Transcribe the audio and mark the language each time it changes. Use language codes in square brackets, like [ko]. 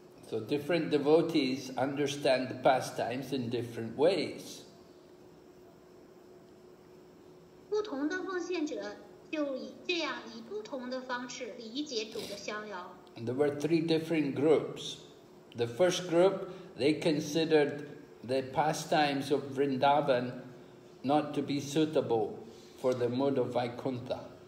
[en] So different devotees understand the pastimes in different ways. [zh] 不同的奉献者就以这样以不同的方式理解主的逍遥。 [en] And there were three different groups. The first group, they considered the pastimes of Vrindavan not to be suitable for the mood of Vaikuntha.